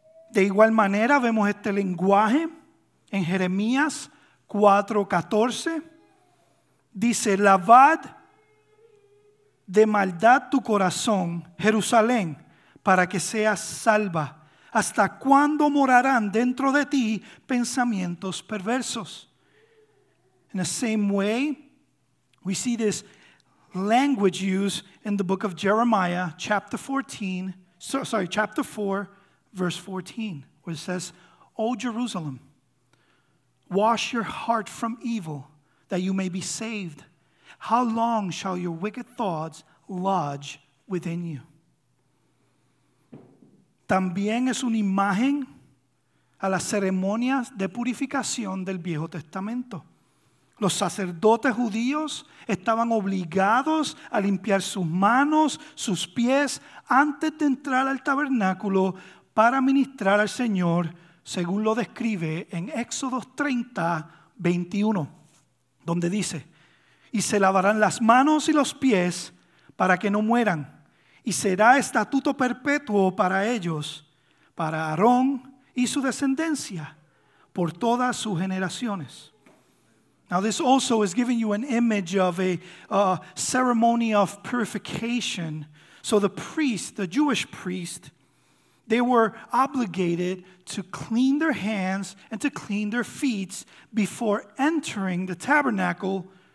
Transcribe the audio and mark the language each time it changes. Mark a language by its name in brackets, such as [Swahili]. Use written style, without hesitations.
[Spanish] De igual manera, vemos este lenguaje en Jeremías 4:14. Dice, lavad de maldad tu corazón, Jerusalén, para que seas salva. ¿Hasta cuándo morarán dentro de ti pensamientos perversos? [English] In the same way, we see this language used in the book of Jeremiah, chapter 4, verse 14, where it says, O Jerusalem, wash your heart from evil, that you may be saved. How long shall your wicked thoughts lodge within you? [Spanish] También es una imagen a las ceremonias de purificación del Viejo Testamento. Los sacerdotes judíos estaban obligados a limpiar sus manos, sus pies, antes de entrar al tabernáculo para ministrar al Señor, según lo describe en Éxodo 30:21, donde dice, y se lavarán las manos y los pies para que no mueran, y será estatuto perpetuo para ellos, para Aarón y su descendencia, por todas sus generaciones. [English] Now this also is giving you an image of a ceremony of purification. So the priest, the Jewish priest, they were obligated to clean their hands and to clean their feet before entering the tabernacle.